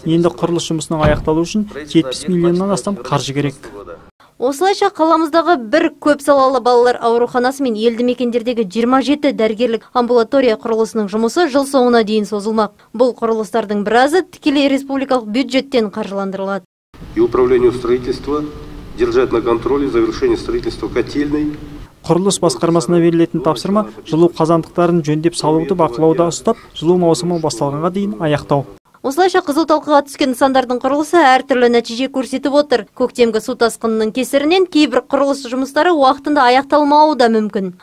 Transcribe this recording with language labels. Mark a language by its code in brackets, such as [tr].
[kk] Енді құрылыс жұмысының аяқталуы үшін 70 миллионнан астам қаржы керек. Осылайша қаламыздағы бір көп салалы балалар ауруханасы мен елді мекендердегі 27 дәрігерлік амбулатория құрылысының жұмысы жыл соңына дейін созылмақ. Бұл құрылыстардың біразы тікелей республикалық бюджеттен қаржыландырылады. [ru] И управление строительства держать на контроле завершение строительства котельной. [kk] Құрылыс басқармасына берілетін тапсырма жылу қазандықтарын жөндеп салуды бақылауда ұстап, жылу маусымы басталғанға дейін аяқтау. Осылайша қызыл талқыға түскен нысандардың құрылысы әртүрлі нәтиже көрсетіп отыр. Көктемгі су тасқынының кесірінен кейбір құрылыс жұмыстары уақытында аяқталмауы да мүмкін.